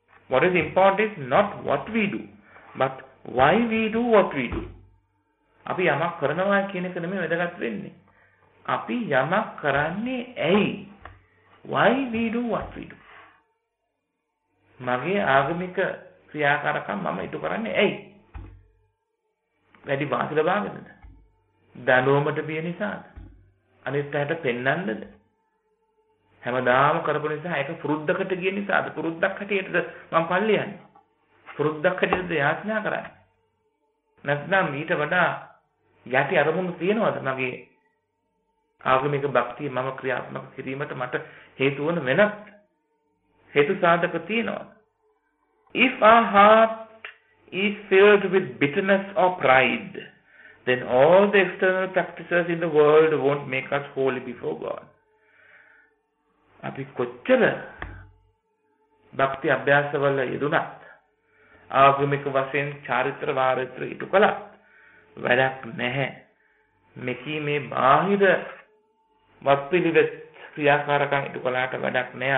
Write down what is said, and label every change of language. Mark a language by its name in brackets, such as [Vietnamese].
[English] What is important is not what we do, but why we do what we do. [Sinhala] අපි යමක් කරනවා කියන එක නෙමෙයි වැදගත් වෙන්නේ. අපි යමක් කරන්නේ ඇයි? [English] Why we do what we do. [Sinhala] මගේ ආගමික ක්‍රියාකාරකම් මම ඉටු කරන්නේ ඇයි? වැඩි වාසිල භාවනද? දනෝමට බිය නිසාද? අනිත් අයට පෙන්නන්නද? හැමදාම කරපු නිසා ඒක පුරුද්දකට ගිය නිසාද? පුරුද්දක් හැටියටද මම පල්ලි යන්නේ? පුරුද්දක් හැටියටද යාඥා කරන්නේ? නැත්නම් ඊට වඩා යටි අරමුණු තියෙනවද? මගේ ආගමික භක්තිය මම ක්‍රියාත්මක කිරීමට මට හේතු වන වෙනත් හේතු සාධක තියෙනවද? [English] If our heart is filled with bitterness or pride, then all the external practices in the world won't make us holy before God. [Sinhala] අපි කොච්චර භක්ති අභ්‍යාසවල යෙදුණත් ආගමික වශයෙන් චාරිත්‍ර වාරිත්‍ර ඉටු කළත් වැඩක් නැහැ. මෙකී මේ බාහිර වත්පිළිවෙත් ක්‍රියාකාරකම් ඉටු කළාට වැඩක් නැහැ.